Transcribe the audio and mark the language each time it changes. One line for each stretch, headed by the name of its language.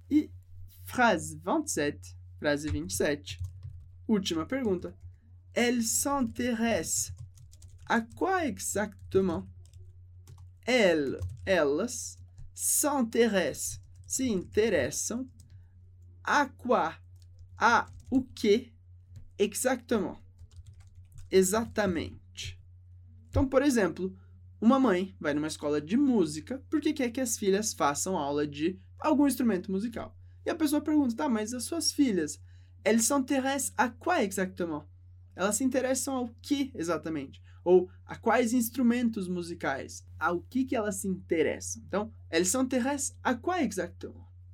Portuguese: E phrase 27, phrase 27, última pergunta.
French: Elle s'intéresse à quoi exactement?
Portuguese: Elas s'intéressent, se interessam, a quoi, a o que, exactement, exatamente. Então, por exemplo, uma mãe vai numa escola de música porque quer que as filhas façam aula de algum instrumento musical. E a pessoa pergunta, tá, mas as suas filhas,
French: elles s'intéressent à quoi exactement?
Portuguese: Elas se interessam ao que, exatamente? Ou a quais instrumentos musicais? Ao que elas se interessam? Então,
French: elles s'intéressent à quoi exactement?